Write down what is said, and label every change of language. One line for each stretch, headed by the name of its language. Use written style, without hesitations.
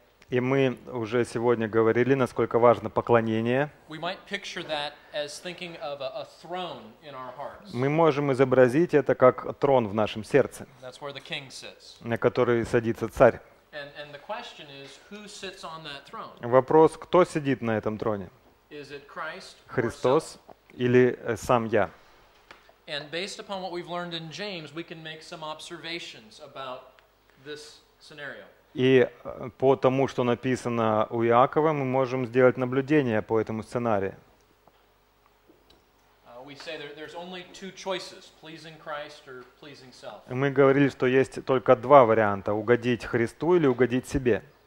Russian: И мы уже сегодня говорили, насколько важно поклонение.
English: We might picture that as thinking of a throne in our hearts.
Russian: Мы можем изобразить это как трон в нашем сердце,
English: That's where the king sits.
Russian: На который садится царь.
English: And the question is, who sits on that throne?
Russian: Вопрос, кто сидит на этом троне?
English: Is it Christ or
Russian: Христос или сам я?
English: And based upon what we've learned in James, we can make some observations about this scenario.
Russian: И по тому, что написано у Иакова, мы можем сделать наблюдение по этому сценарию. Мы говорили, что есть только два варианта – угодить Христу или угодить себе.